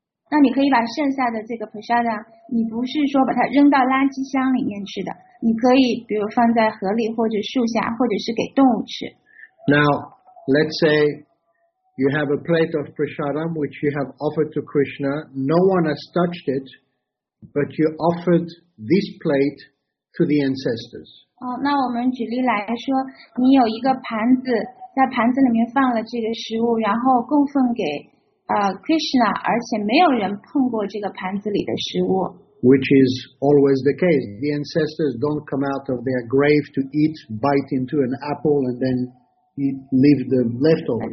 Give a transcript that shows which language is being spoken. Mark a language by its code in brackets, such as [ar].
[zh] 那你可以把剩下的这个prasadam，你不是说把它扔到垃圾箱里面吃的，你可以比如放在河里或者树下，或者是给动物吃。 [en] Now, let's say you have a plate of prasadam which you have offered to Krishna. No one has touched it, but you offered this plate to the ancestors. [zh] 那我们举例来说，你有一个盘子，在盘子里面放了这个食物，然后供奉给Krishna， 而且没有人碰过这个盘子里的食物。 [en] Which is always the case. The ancestors don't come out of their grave to eat, bite into an apple, and then eat, leave the leftovers.